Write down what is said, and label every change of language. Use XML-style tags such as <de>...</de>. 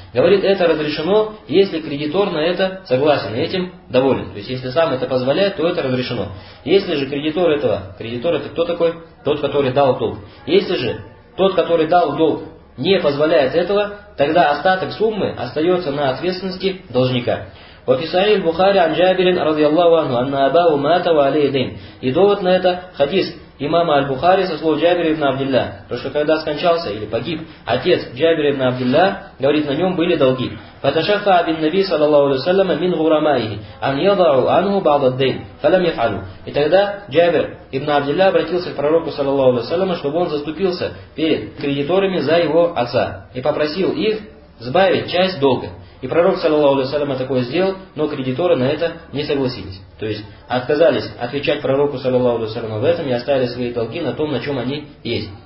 <ru>Говорит, это разрешено, если кредитор на это согласен, этим доволен. То есть, если сам это позволяет, то это разрешено. Если же кредитор этого, кредитор это кто такой? Тот, который дал долг. Если же тот, который дал долг, не позволяет этого, тогда остаток суммы остается на ответственности должника.</ru> <ar>وفي صحيح البخاري عن جابر رضي الله عنه أن أباه مات وعليه دين.</ar> <ru>И довод на это хадис имама Аль-Бухари со слов Джабира ибн Абдилля. Потому что когда скончался или погиб отец Джабира ибн Абдилля, говорит, на нем были долги.</ru> <ar>فتشفع بالنبي صلى الله عليه وسلم من غرمائه أن يضع عنه بعض الدين فلم يفعله.</ar> <ru>И тогда Джабир ибн Абдилля обратился к пророку</ru> <ar>صلى الله عليه وسلم,</ar> <ru>чтобы он заступился перед кредиторами за его отца и попросил их сбавить часть долга. И пророк, саллаллаху алейхи ва саллям, такое сделал, но кредиторы на это не согласились. То есть, отказались отвечать пророку, саллаллаху алейхи ва саллям, в этом и оставили свои долги на том, на чем они есть.</ru>